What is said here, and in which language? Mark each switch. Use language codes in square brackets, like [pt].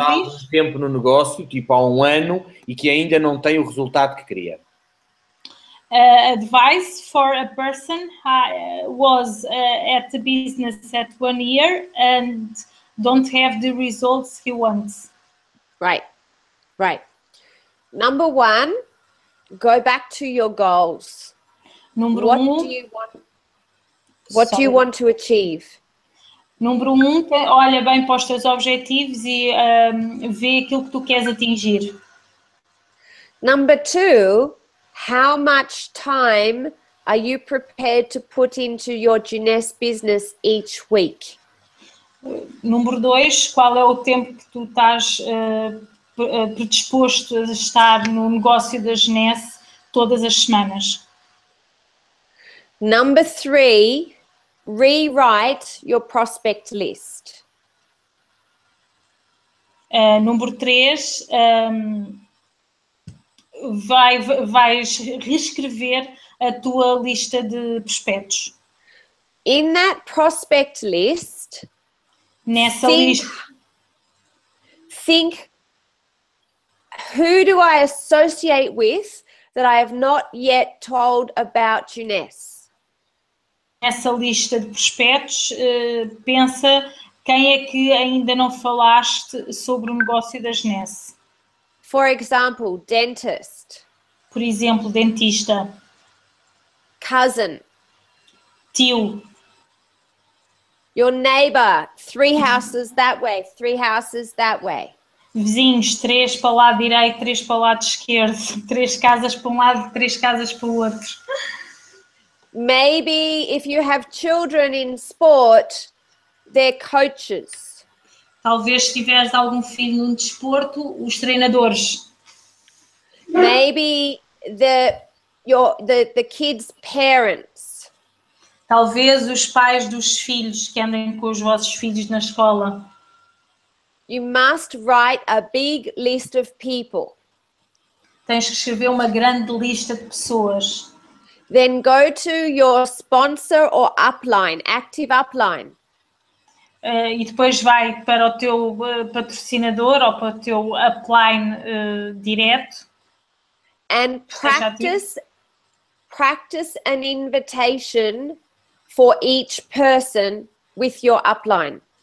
[pt] Há algum tempo no negócio, tipo há um ano, e que ainda não tem o resultado que queria. [en] Advice for a person who was at the business at 1 year and don't have the results he wants. Right, right. Number one, go back to your goals. Number what um, do you want? What sorry. Do you want to achieve? Number one, [pt] olha bem para os teus objetivos e vê aquilo que tu queres atingir. [en] Number two, how much time are you prepared to put into your Juness business each week? [pt] Número dois, qual é o tempo que tu estás predisposto a estar no negócio da Juness todas as semanas? [en] Number three, rewrite your prospect list. [pt] Número três, vais reescrever a tua lista de prospectos. [en] In that prospect list, [pt] nessa lista, [en] think who do I associate with that I have not yet told about Juness? [pt] Nessa lista de prospectos, pensa quem é que ainda não falaste sobre o negócio da Juness. [en] For example, dentist. [pt] Por exemplo, dentista. [en] Cousin. [pt] Tio. [en] Your neighbor, three houses that way, three houses that way. [pt] Vizinhos, três para o lado direito, três para o lado esquerdo, três casas para um lado, três casas para o outro. [en] Maybe if you have children in sport, they're coaches. [pt] Talvez se tiveres algum filho num desporto, os treinadores. [en] Maybe the kids' parents. [pt] Talvez os pais dos filhos que andem com os vossos filhos na escola. [en] You must write a big list of people. [pt] Tens que escrever uma grande lista de pessoas. [en] Then go to your sponsor or upline, active upline. [pt] E depois vai para o teu patrocinador ou para o teu upline direto. [en] And practice an invitation for each person with your upline.